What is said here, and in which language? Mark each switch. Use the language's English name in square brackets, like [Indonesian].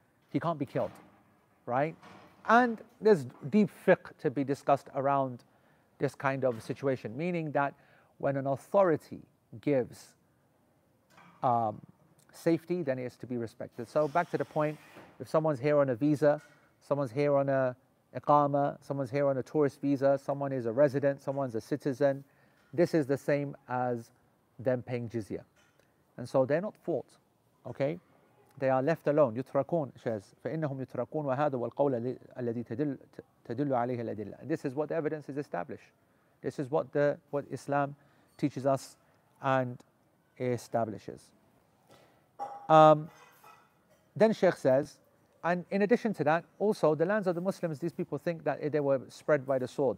[English] He can't be killed, right? And there's deep fiqh to be discussed around this kind of situation, meaning that when an authority gives safety, then it has to be respected. So back to the point, if someone's here on a visa, someone's here on a iqama, someone's here on a tourist visa, someone is a resident, someone's a citizen, this is the same as them paying jizya. And so they're not fought, okay? They are left alone. [Arabic] يُتْرَكُونَ, says, فَإِنَّهُمْ يُتْرَكُونَ وَهَذَا وَالْقَوْلَ الَّذِي تَدُلُّ عَلَيْهِ الْأَدِلَّةِ. [English] This is what the evidence is established. This is what the what Islam teaches us and establishes. Then Sheikh says, and in addition to that, also the lands of the Muslims, these people think that they were spread by the sword.